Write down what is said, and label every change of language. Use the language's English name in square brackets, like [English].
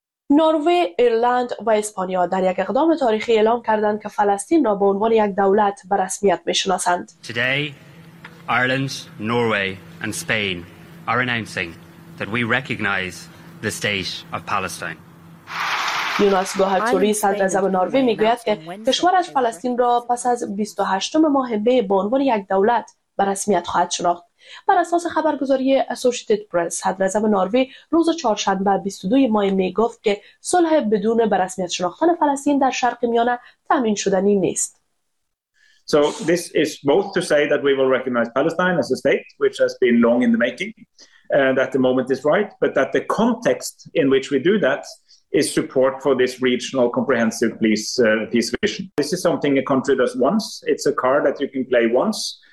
[Persian] نروژ، ایرلند و اسپانیا در یک اقدام تاریخی اعلام کردند که فلسطین را به عنوان یک دولت به رسمیت میشناسند. [English] Today, Ireland, Norway and Spain are announcing that we recognize the state of Palestine. [Persian] یوناس گوهرتوری صدر اعظم نروژ میگوید که کشورش فلسطین را پس از 28 ماه مه به عنوان یک دولت به رسمیت خواهد شناخت. بر اساس خبرگزاری اسوسییتد پرس، صدر اعظم نروژ روز چهارشنبه 22 ماه می گفت که صلح بدون به رسمیت شناختن فلسطین در شرق میانه تضمین شدنی نیست. [English] So this is both to say that we will recognize Palestine as a state which has been long in the making and that the moment is right, but that the context in which we do that is support for this regional comprehensive peace vision. This is something a country does once. It's a card that you can play once.